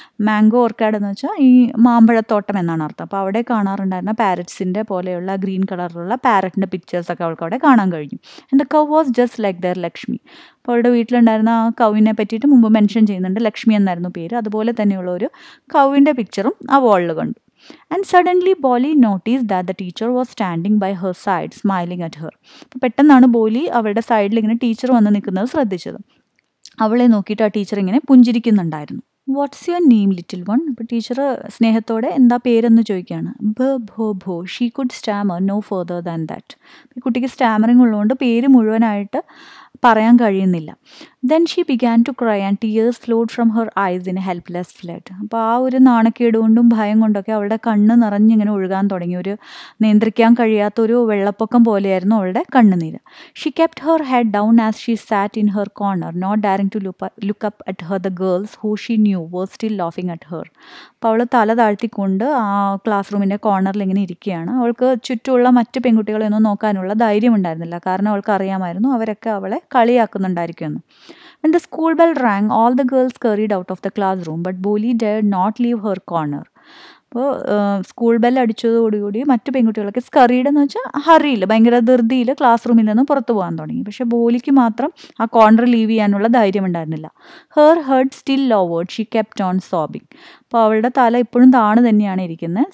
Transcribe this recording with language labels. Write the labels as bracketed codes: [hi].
[ml] Mango ഓർക്കാഡ് എന്ന് വെച്ചാൽ ഈ മാമ്പഴത്തോട്ടം എന്നാണ് അർത്ഥം. അപ്പോൾ അവിടെ കാണാറുണ്ടായിരുന്ന പാരറ്റ്സിൻ്റെ പോലെയുള്ള ഗ്രീൻ കളറിലുള്ള പാരറ്റിൻ്റെ പിക്ചേഴ്സൊക്കെ അവൾക്ക് അവിടെ കാണാൻ കഴിഞ്ഞു. [en] And the cow was just like there Lakshmi. [ml] അപ്പോൾ അവളുടെ വീട്ടിലുണ്ടായിരുന്ന ആ കൗവിനെ പറ്റിയിട്ട് മുമ്പ് മെൻഷൻ ചെയ്യുന്നുണ്ട്, ലക്ഷ്മി എന്നായിരുന്നു പേര്. അതുപോലെ തന്നെയുള്ള ഒരു കൗവിൻ്റെ പിക്ചറും ആ വാളിൽ കണ്ടു. [en] And suddenly Bholi noticed that the teacher was standing by her side smiling at her. [ml] അപ്പോൾ പെട്ടെന്നാണ് ബോലി അവളുടെ സൈഡിൽ ഇങ്ങനെ ടീച്ചർ വന്ന് നിൽക്കുന്നത് ശ്രദ്ധിച്ചത്. അവളെ നോക്കിയിട്ട് ആ ടീച്ചർ ഇങ്ങനെ പുഞ്ചിരിക്കുന്നുണ്ടായിരുന്നു. [en] What's your name little one? [ml] അപ്പോൾ ടീച്ചർ സ്നേഹത്തോടെ എന്താ പേരെന്ന് ചോദിക്കുകയാണ്. [en] ബ ഭോ ഭോ she could stammer no further than that. [ml] ഈ കുട്ടിക്ക് സ്റ്റാമറിംഗ് ഉള്ളതുകൊണ്ട് പേര് മുഴുവനായിട്ട് പറയാൻ കഴിയുന്നില്ല. [en] Then she began to cry and tears flowed from her eyes in a helpless flood. [ml] അപ്പോൾ ആ ഒരു നാണക്കേടുകൊണ്ടും ഭയം കൊണ്ടൊക്കെ അവളുടെ കണ്ണ് നിറഞ്ഞിങ്ങനെ ഒഴുകാൻ തുടങ്ങി. ഒരു നിയന്ത്രിക്കാൻ കഴിയാത്തൊരു വെള്ളപ്പൊക്കം പോലെയായിരുന്നു അവളുടെ കണ്ണുനീര്. [en] She kept her head down as she SAT in her corner not dairying to look up at her the girls who she new where still ലാഫിങ് at her. [ml] അപ്പോൾ അവൾ തല താഴ്ത്തിക്കൊണ്ട് ആ ക്ലാസ് റൂമിൻ്റെ കോർണറിൽ ഇങ്ങനെ ഇരിക്കുകയാണ്. അവൾക്ക് ചുറ്റുമുള്ള മറ്റ് പെൺകുട്ടികളെയൊന്നും നോക്കാനുള്ള ധൈര്യം ഉണ്ടായിരുന്നില്ല, കാരണം അവൾക്ക് അറിയാമായിരുന്നു അവരൊക്കെ അവളെ കളിയാക്കുന്നുണ്ടായിരിക്കും എന്ന്. [en] When the school bell rang, all the girls scurried out of the classroom, but Bholi dared not leave her corner. [ml] അപ്പോൾ സ്കൂൾ ബെല്ല് അടിച്ചതോടുകൂടി മറ്റ് പെൺകുട്ടികളൊക്കെ സ്കറിയുടെ എന്ന് വെച്ചാൽ ഹറിയില്ല, ഭയങ്കര ധൃതിയിൽ ക്ലാസ് റൂമിൽ നിന്ന് പുറത്തു പോകാൻ തുടങ്ങി. പക്ഷേ ബോലിക്ക് മാത്രം ആ കോർണർ ലീവ് ചെയ്യാനുള്ള ധൈര്യം ഉണ്ടായിരുന്നില്ല. [en] Her head still lowered, she kept on sobbing. [ml] അപ്പോൾ അവളുടെ തല ഇപ്പോഴും താണു തന്നെയാണ് ഇരിക്കുന്നത്.